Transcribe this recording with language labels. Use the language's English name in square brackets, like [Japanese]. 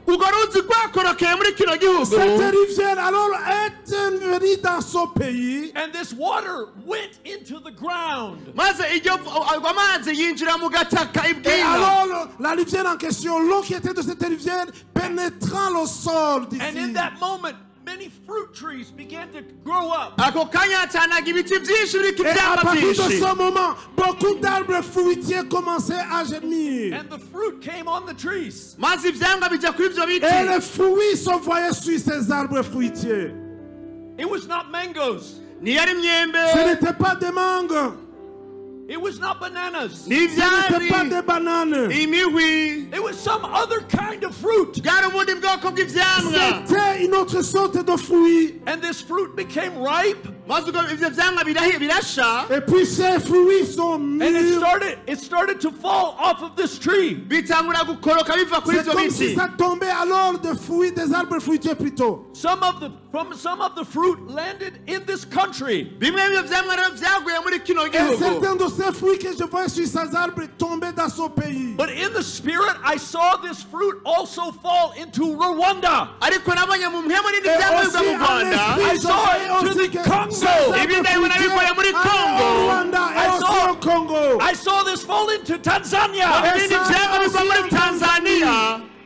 [French] Cette rivière alors est venue dans ce pays. [English] And this water went into the ground. [French] Et alors la rivière en question, l'eau qui était de cette rivière pénétrant le sol d'ici. [English] And in that moment, many fruit trees began to grow up. [French] Et à partir de ce moment, beaucoup d'arbres fruitiers commençaient à germer. [English] And the fruit came on the trees. [French] Et les fruits se voyaient sur ces arbres fruitiers. [English] It was not mangoes. [French] Ce n'était pas des mangues. [English] It was not bananas. [French] Ce n'était pas des bananes. [English] It was some other kind of fruit. [French] C'était une autre sorte de fruit. [English] And this fruit became ripe. [French] Et puis ces fruits sont mûrs. [English] And it started to fall off of this tree. [French] C'est comme si ça tombait alors des arbres fruitiers plutôt. [English] Some of the fruit landed in this country. [French] Et certains de ces fruits que je vois sur ces arbres tombaient dans ce pays. [English] But in the spirit, I saw this fruit also fall into Rwanda. [French] Et aussi, en esprit, je voyais aussi que Congo. [English] I saw this fall into Tanzania. Tanzania.